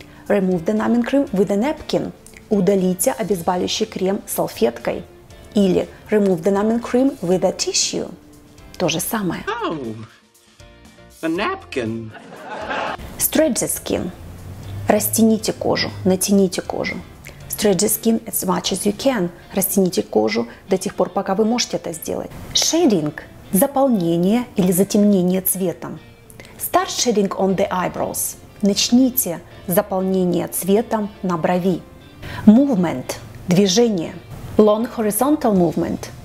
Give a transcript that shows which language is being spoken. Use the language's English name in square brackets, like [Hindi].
[English] Remove the numbing cream with a napkin. [Russian] Удалите обезболивающий крем салфеткой. Или [English] remove the numbing cream with a tissue. [Russian] То же самое. [English] A napkin. Stretch the skin. [Russian] Растяните кожу, натяните кожу. [English] Stretch the skin as much as you can. [Russian] Растяните кожу до тех пор, пока вы можете это сделать. [English] Shading. [Russian] Заполнение или затемнение цветом. [English] Start shading on the eyebrows. [Russian] Начните заполнение цветом на брови. [English] Movement. [Russian] Движение. [English] Long horizontal movement.